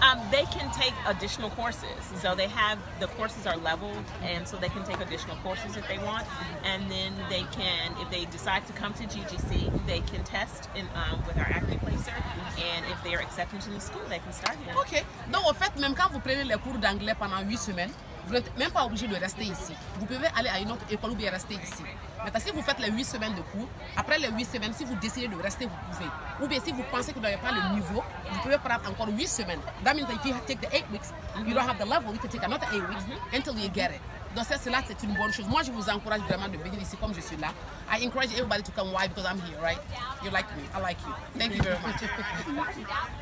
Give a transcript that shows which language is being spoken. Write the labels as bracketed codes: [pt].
[en] they can take additional courses. So they have, the courses are leveled, and so they can take additional courses if they want. And then they can, if they decide to come to GGC, they can test in, with our active placer. And if they are accepted to the school, they can start here. Okay. [fr] Donc, au fait, même quand vous prenez les cours d'anglais pendant 8 semaines, vous n'êtes même pas obligé de rester ici. Vous pouvez aller à une autre école ou bien rester ici. Mais si vous faites les 8 semaines de cours, après les 8 semaines, si vous décidez de rester, vous pouvez. Ou bien si vous pensez que vous n'avez pas le niveau, vous pouvez prendre encore 8 semaines. [en] That means that if you take the 8 weeks, you don't have the level, you can take another 8 weeks until you get it. [fr] Donc cela, c'est une bonne chose. Moi, je vous encourage vraiment de venir ici comme je suis là. [en] I encourage everybody to come. Why? Because I'm here, right? You like me. I like you. Thank you very much.